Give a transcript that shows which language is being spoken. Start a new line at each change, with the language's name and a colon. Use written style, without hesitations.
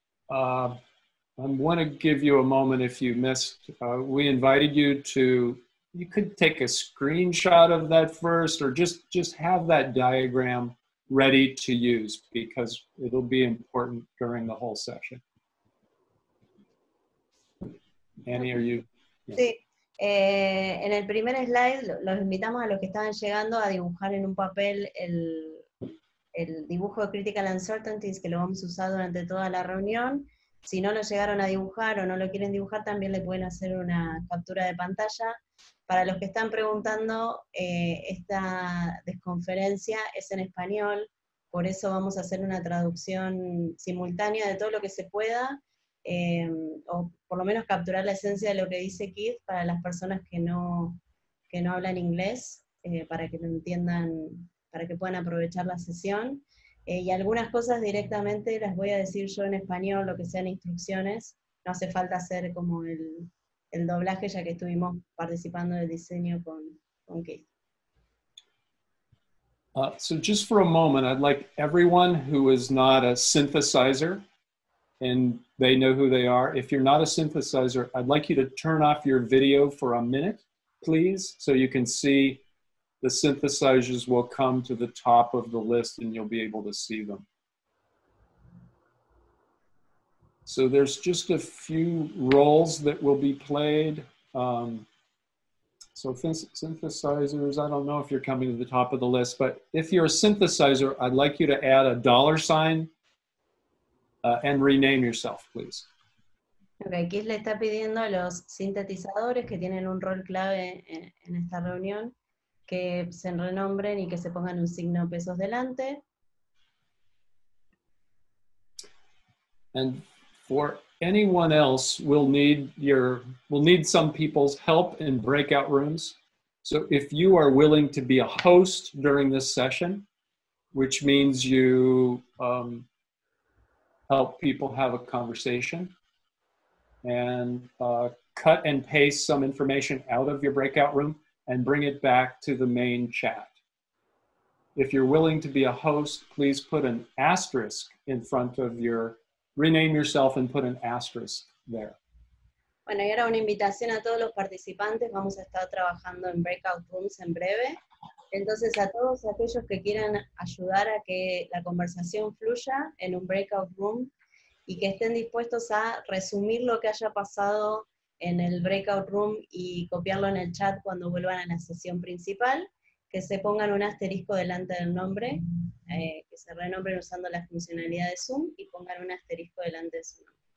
English: So I want to give you a moment if you missed. We invited you to, you could take a screenshot of that first, or just have that diagram ready to use, because it'll be important during the whole session. Annie, are you?
Spanish: Yeah. Sí. En el primer slide, los invitamos a los que estaban llegando a dibujar en un papel el dibujo de Critical Uncertainties, que lo vamos a usar durante toda la reunión. Si no lo llegaron a dibujar o no lo quieren dibujar, también le pueden hacer una captura de pantalla. Para los que están preguntando, esta desconferencia es en español, por eso vamos a hacer una traducción simultánea de todo lo que se pueda, o por lo menos capturar la esencia de lo que dice Keith para las personas que no hablan inglés, para que lo entiendan, para que puedan aprovechar la sesión. Y algunas cosas directamente las voy a decir yo en español, lo que sean instrucciones. No hace falta hacer como el doblaje, ya que estuvimos participando del diseño con Keith.
English: So just for a moment, I'd like everyone who is not a synthesizer, and they know who they are. If you're not a synthesizer, I'd like you to turn off your video for a minute, please, so you can see. The synthesizers will come to the top of the list and you'll be able to see them. So there's just a few roles that will be played. So synthesizers, I don't know if you're coming to the top of the list, but if you're a synthesizer, I'd like you to add a dollar sign and rename yourself, please.
Spanish: Okay, Keith le está pidiendo a los sintetizadores que tienen un rol clave en esta reunión. Que se renombren y que se pongan un signo pesos delante.
English: And for anyone else, we'll need some people's help in breakout rooms. So if you are willing to be a host during this session, which means you help people have a conversation and cut and paste some information out of your breakout room, and bring it back to the main chat. If you're willing to be a host, please put an asterisk in front of your, rename yourself and put an asterisk there.
Spanish: Bueno, y ahora una invitación a todos los participantes. Vamos a estar trabajando en breakout rooms en breve. Entonces, a todos aquellos que quieran ayudar a que la conversación fluya en un breakout room y que estén dispuestos a resumir lo que haya pasado en el breakout room y copiarlo en el chat cuando vuelvan a la sesión principal, que se pongan un asterisco delante del nombre, que se renombren usando la funcionalidad de Zoom y pongan un asterisco delante de su nombre.